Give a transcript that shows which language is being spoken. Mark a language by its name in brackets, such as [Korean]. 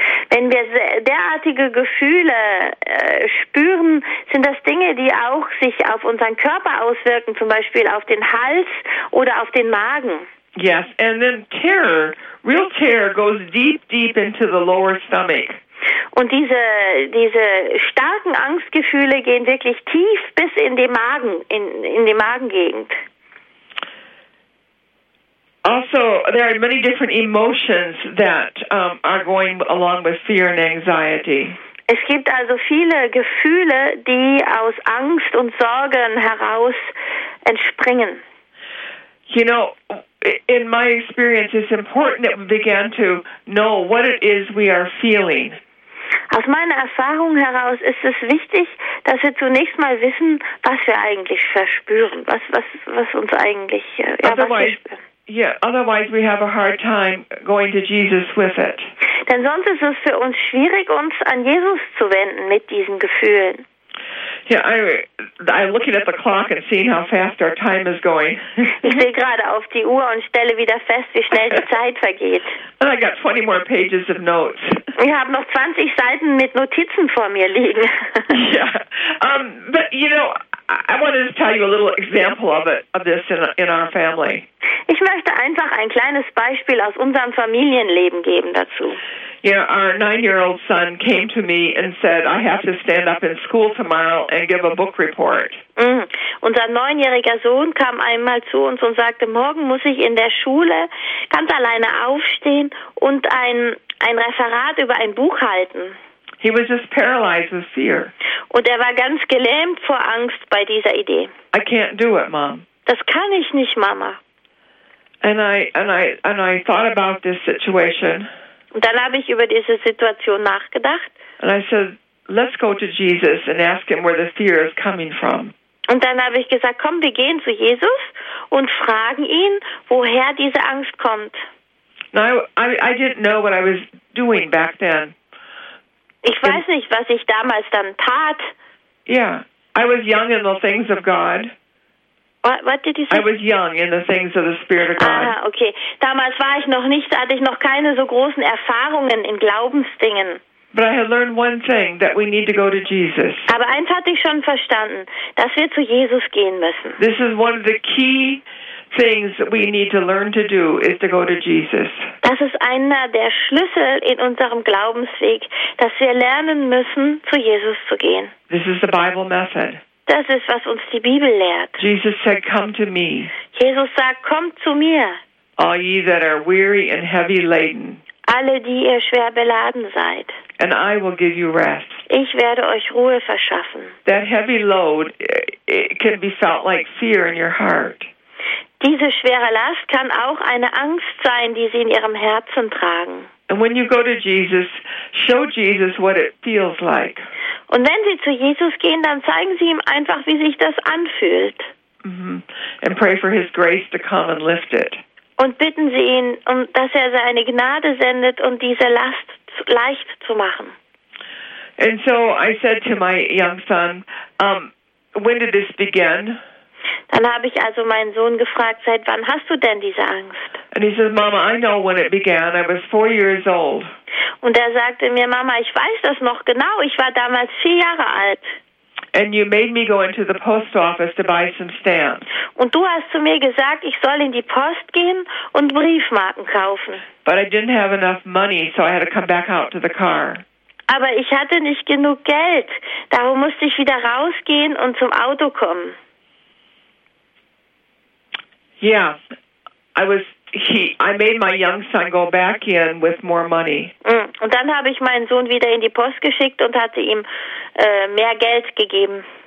[German] Wenn wir derartige Gefühle spüren, sind das Dinge, die auch sich auf unseren Körper auswirken, zum Beispiel auf den Hals oder auf den Magen. [English] Yes, and then terror, real terror goes deep, deep into the lower stomach. [German] Und diese starken Angstgefühle gehen wirklich tief bis in die Magen, in die Magengegend. [English] Also, there are many different emotions that are going along with fear and anxiety. [German] Es gibt also viele Gefühle, die aus Angst und Sorgen heraus entspringen. [English] You know, in my experience, it's important that we begin to know what it is we are feeling. [German] Aus meiner Erfahrung heraus ist es wichtig, dass wir zunächst mal wissen, was wir eigentlich verspüren, was uns eigentlich, ja, was wir spüren. [English] Yeah, otherwise we have a hard time going to Jesus with it. [German] Denn sonst ist es für uns schwierig, uns an Jesus zu wenden mit diesen Gefühlen. [English] Yeah, I'm looking at the clock and seeing how fast our time is going. [German] Ich sehe gerade auf die Uhr und stelle wieder fest, wie schnell die Zeit vergeht. [English] And I got 20 more pages of notes. [German] Ich habe noch 20 Seiten mit Notizen vor mir liegen. [English] Yeah, but you know, I wanted to tell you a little example of it, of this in our family. [German] Ich möchte einfach ein kleines Beispiel aus unserem Familienleben geben dazu. [English] Yeah, our 9-year-old son came to me and said, I have to stand up in school tomorrow and give a book report. [German] Unser 9-jähriger Sohn kam einmal zu uns und sagte, morgen muss ich in der Schule ganz alleine aufstehen und ein Referat über ein Buch halten. [English] He was just paralyzed with fear. [German] Und war ganz gelähmt vor Angst bei dieser Idee. [English] I can't do it, Mom. [German] Das kann ich nicht, Mama. [English] And I thought about this situation. [German] Und dann habe ich über diese Situation nachgedacht. [English] And I said, let's go to Jesus and ask him where the fear is coming from. [German] Und dann habe ich gesagt, komm, wir gehen zu Jesus und fragen ihn, woher diese Angst kommt. [English] Now, I didn't know what I was doing back then. [German] Ich weiß nicht, was ich damals dann tat. [English] Yeah, I was young in the things of God. What did you say? I was young in the things of the Spirit of God. Ah, okay. [German] Damals war ich noch nicht, hatte ich noch keine so großen Erfahrungen in Glaubensdingen. [English] But I had learned one thing, that we need to go to Jesus. [German] Aber eins hatte ich schon verstanden, dass wir zu Jesus gehen müssen. [English] This is one of the key things we need to learn to do, is to go to Jesus. [German] Das ist einer der Schlüssel in unserem Glaubensweg, dass wir lernen müssen, zu Jesus zu gehen. [English] This is the Bible method. [German] Das ist, was uns die Bibel lehrt. [English] Jesus said, come to me. [German] Jesus sagt, komm zu mir. [English] All ye that are weary and heavy laden. [German] Alle, die ihr schwer beladen seid. [English] And I will give you rest. [German] Ich werde euch Ruhe verschaffen. [English] That heavy load, it can be felt like fear in your heart. [German] Diese schwere Last kann auch eine Angst sein, die sie in ihrem Herzen tragen. [English] And when you go to Jesus, show Jesus what it feels like. [German] Und wenn sie zu Jesus gehen, dann zeigen sie ihm einfach, wie sich das anfühlt. Mm-hmm. [English] And pray for his grace to come and lift it. [German] Und bitten sie ihn, dass er seine Gnade sendet, um diese Last leicht zu machen. [English] And so I said to my young son, when did this begin? [German] Dann habe ich also meinen Sohn gefragt, seit wann hast du denn diese Angst? [English] And he says, Mama, I know when it began. I was 4 years old. [German] Und sagte mir, Mama, ich weiß das noch genau. Ich war damals 4 Jahre alt. [English] And you made me go into the post office to buy some stamps. [German] Und du hast zu mir gesagt, ich soll in die Post gehen und Briefmarken kaufen. [English] But I didn't have enough money, so I had to come back out to the car. [German] Aber ich hatte nicht genug Geld. Darum musste ich wieder rausgehen und zum Auto kommen. [English] Yeah, I made my young son go back in with more money. [German] Und dann habe ich meinen Sohn wieder in die Post geschickt und hatte ihm mehr Geld gegeben.